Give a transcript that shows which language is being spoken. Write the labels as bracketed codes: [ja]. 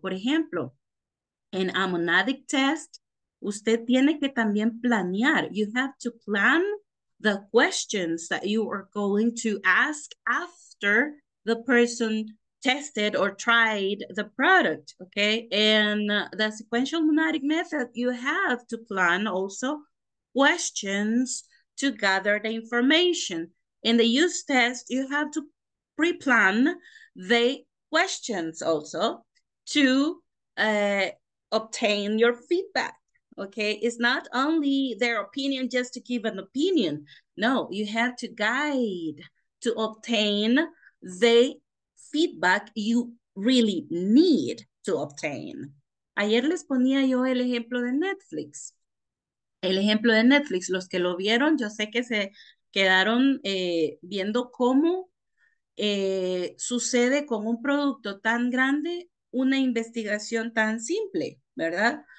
[es] Por ejemplo, en a monadic test, usted tiene que también planear. [en] You have to plan the questions that you are going to ask after the person tested or tried the product, okay? In the sequential monadic method, you have to plan also questions to gather the information. In the use test, you have to pre-plan the questions also to obtain your feedback. Okay, it's not only their opinion just to give an opinion. No, you have to guide to obtain the feedback you really need to obtain. [es] Ayer les ponía yo el ejemplo de Netflix. El ejemplo de Netflix, los que lo vieron, yo sé que se quedaron viendo cómo sucede con un producto tan grande una investigación tan simple, ¿verdad?